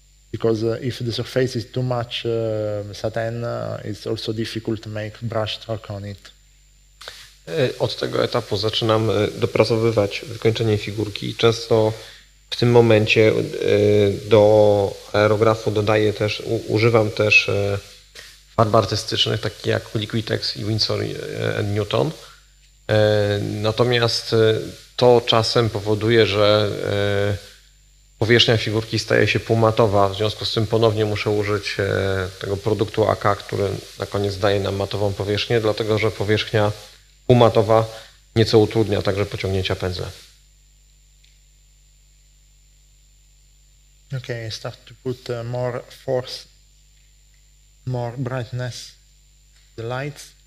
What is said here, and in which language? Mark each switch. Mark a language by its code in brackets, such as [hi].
[en] Because if the surface is too much satin, it's also difficult to make brush stroke on it. [pl] Od tego etapu zaczynam dopracowywać wykończenie figurki. Często w tym momencie do aerografu dodaję też, używam też farb artystycznych, takich jak Liquitex i Winsor & Newton. Natomiast to czasem powoduje, że powierzchnia figurki staje się półmatowa, w związku z tym ponownie muszę użyć tego produktu AK, który na koniec daje nam matową powierzchnię, dlatego że powierzchnia półmatowa nieco utrudnia także pociągnięcia pędzla. [en] Okay, I start to put more force, more brightness, the lights.